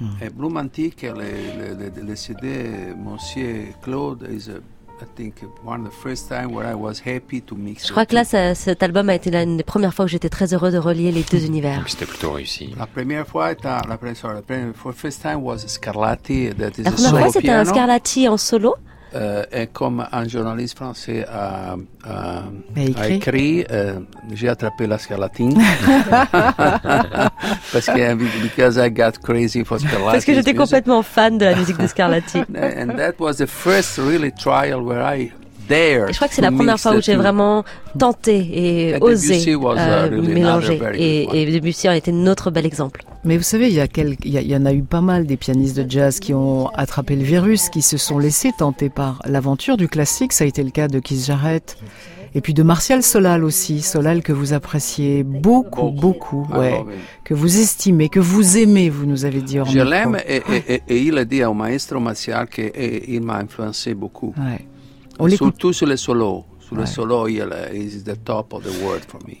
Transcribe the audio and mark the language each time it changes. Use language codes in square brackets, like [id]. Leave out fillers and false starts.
[en] Et Blue Mantic, le CD Monsieur Claude, is a, I think one of the first time where I was happy to mix. [fr] Je crois que là, cet album a été l'une des premières fois où j'étais très heureux de relier les deux univers. C'était plutôt réussi. La première fois, c'était un Scarlatti en solo. Et comme un journaliste français a écrit, j'ai attrapé la scarlatine. Parce que [en] because I got crazy for Scarlatti. [fr] Parce que j'étais complètement fan de la musique de Scarlatti. [en] And that was the first really trial where I dared. [fr] Et je crois que c'est la première fois où j'ai vraiment tenté et osé mélanger. Et Debussy en était notre bel exemple. Mais vous savez, il y en a eu pas mal des pianistes de jazz qui ont attrapé le virus, qui se sont laissés tenter par l'aventure du classique. Ça a été le cas de Keith Jarrett. Et puis de Martial Solal aussi. Solal que vous appréciez beaucoup, beaucoup. Ouais. Que vous estimez, que vous aimez, vous nous avez dit en micro. Je l'aime et il a dit au maestro Martial qu'il m'a influencé beaucoup. Ouais. Surtout sur les solos. Le solo, [en] is the top of the world for me.